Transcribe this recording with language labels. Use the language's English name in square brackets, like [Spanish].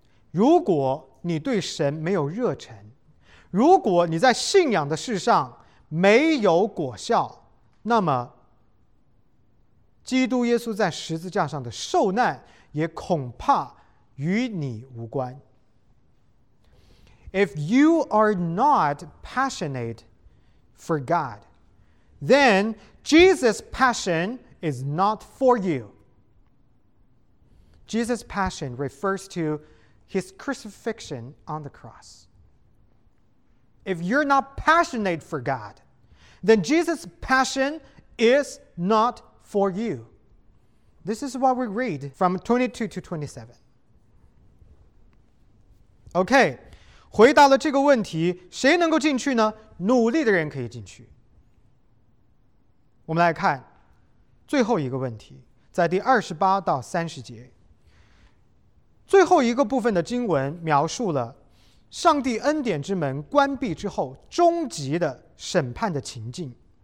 [Chinese] 如果你对神没有热忱，如果你在信仰的事上没有果效，那么基督耶稣在十字架上的受难也恐怕与你无关。 [English] If you are not passionate for God, then Jesus' passion is not for you. Jesus' passion refers to his crucifixion on the cross. If you're not passionate for God, then Jesus' passion is not for you. This is what we read from 22 to 27. [Chinese] Okay, 回答了这个问题，谁能够进去呢？努力的人可以进去。我们来看最后一个问题，在第28到30节。最后一个部分的经文描述了上帝恩典之门关闭之后终极的审判的情境。